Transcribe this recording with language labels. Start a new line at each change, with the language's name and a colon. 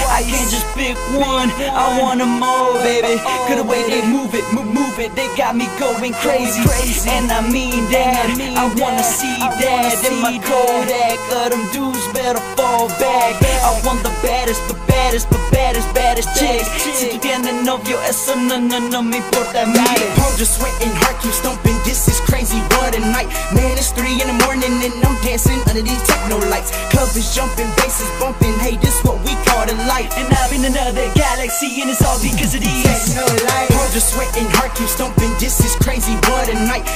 English: I can't just pick one, I want them all, baby. Cause the way they move it, they got me going crazy. And I mean that, I wanna see that. Then my Kodak, of them dudes better fall back. I want the baddest, the baddest, the baddest, baddest chick.
Spanish: Si tu tienes novio, eso no me importa a mí.
English: Palms are sweating, heart keeps thumping, this is crazy, what a night. Man, it's 3 in the morning and I'm dancing under these techno lights. Club is jumping, bass is bumping, hey, this what we call the light. And I'm in another galaxy and it's all because of these techno lights. Palms are sweating, heart keeps thumping, this is crazy, what a night.